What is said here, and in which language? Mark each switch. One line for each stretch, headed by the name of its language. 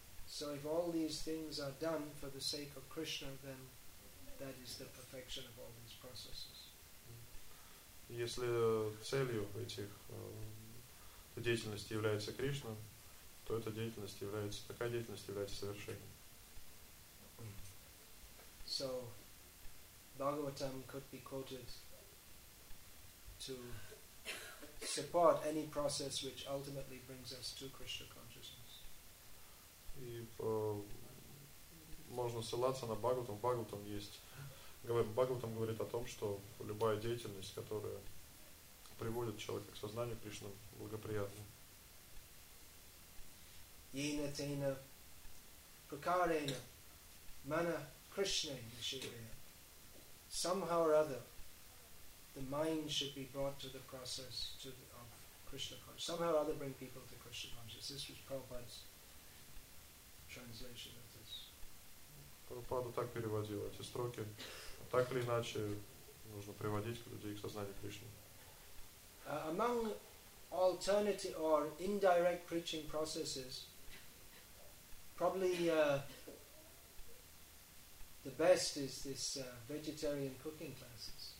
English: So if all these things are done for the sake of Krishna, then that is the perfection of all these processes.
Russian: Если целью этих деятельности является Кришна, то эта деятельность является, такая деятельность является совершением.
English: So Bhagavatam could be quoted to support any process which ultimately brings us to Krishna consciousness.
Russian: И можно ссылаться на Бхагаватам. Бхагаватам есть. Бхагаватам говорит о том, что любая деятельность, которая приводит человека к сознанию Кришны, благоприятна.
Sanskrit: Ена тена пракарена мана Кришна нишивая.
English: Somehow or other, the mind should be brought to the process to the, of Krishna consciousness. Somehow or other, bring people to Krishna consciousness. This was Prabhupada's translation of this.
Russian: Prabhupada так переводил эти строки. Так или иначе, нужно приводить людей к сознанию Кришны.
English: Among alternative or indirect preaching processes, probably the best is this vegetarian cooking classes.